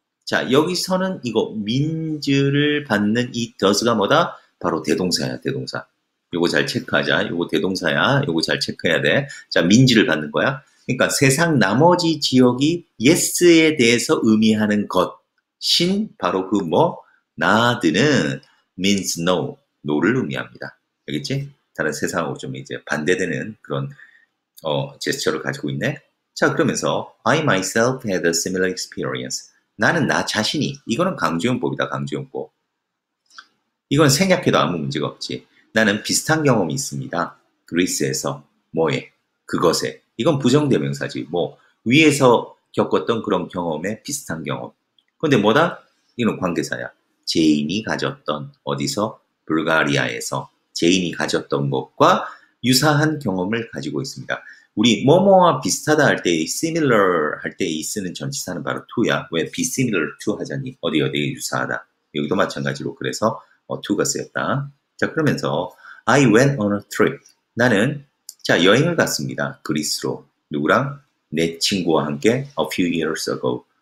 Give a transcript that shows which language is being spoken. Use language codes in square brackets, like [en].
[ko] 자, 여기서는 이거 means를 받는 이 does가 뭐다? 바로 대동사야, 대동사. 요거 잘 체크하자. 요거 대동사야. 요거 잘 체크해야 돼. 자, 민지를 받는 거야. 그러니까 세상 나머지 지역이 yes에 대해서 의미하는 것. 신, 바로 그 뭐? 나드는 [en] means no. [ko] no를 의미합니다. 알겠지? 다른 세상하고 좀 이제 반대되는 그런, 제스처를 가지고 있네. 자, 그러면서 [en] I myself had a similar experience. [ko] 나는 나 자신이. 이거는 강조용법이다, 강조용법. 이건 생략해도 아무 문제가 없지. 나는 비슷한 경험이 있습니다. 그리스에서 뭐에? 그것에. 이건 부정대명사지. 뭐 위에서 겪었던 그런 경험에 비슷한 경험. 근데 뭐다? 이건 관계사야. 제인이 가졌던 어디서? 불가리아에서 제인이 가졌던 것과 유사한 경험을 가지고 있습니다. 우리 뭐뭐와 비슷하다 할때이 similar 할때이 쓰는 전치사는 바로 to야. 왜 [en] be similar to [ko] 하자니? 어디 어디에 유사하다. 여기도 마찬가지로 그래서 to가 쓰였다. 자, 그러면서, [en] I went on a trip. [ko] 나는, 자, 여행을 갔습니다. 그리스로. 누구랑? 내 친구와 함께, [en] a few years ago.